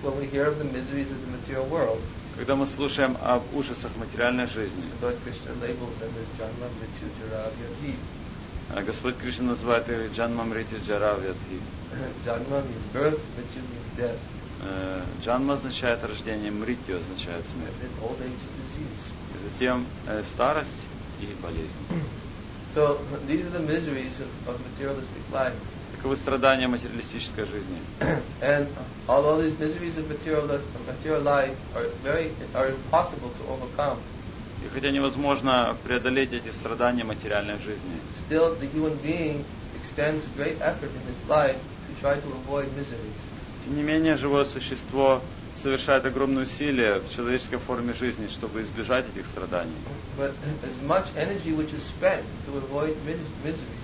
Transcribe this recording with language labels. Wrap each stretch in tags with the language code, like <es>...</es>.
<en>When we hear of the miseries of the material world,</en> <ru>когда мы слушаем об ужасах материальной жизни, Господь Кришна называет их Джанма Мрити Джаравьяти.</ru> <en>Джанма means birth, Мрити means death.</en> <ru>Джанма означает рождение, Мрити означает смерть.</ru> <en>And old age and disease.</en> <ru>И затем старость и болезнь.</ru> <en>So these are the miseries of materialistic life.</en> <ru>Каковы страдания материалистической жизни.</ru> <en>And all these miseries of material life are impossible to overcome.</en> <ru>И хотя невозможно преодолеть эти страдания материальной жизни.</ru> <en>Still, the human being extends great effort in his life to try to avoid miseries.</en> <ru>Тем не менее, живое существо совершает огромные усилия в человеческой форме жизни, чтобы избежать этих страданий.</ru> <en>But as much energy which is spent to avoid miseries.</en>